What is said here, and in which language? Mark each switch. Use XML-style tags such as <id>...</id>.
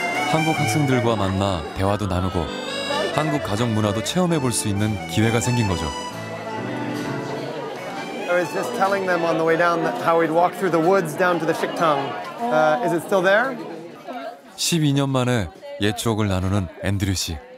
<ko>한국 학생들과 만나 대화도 나누고 한국 가정 문화도 체험해 볼 수 있는 기회가 생긴 거죠.</ko> <en>I was just telling them on the way down that how we'd walk through the woods down to the Shiktang. Is it still there?</en> <ko>12년 만에 옛 추억을 나누는 앤드류 씨.</ko>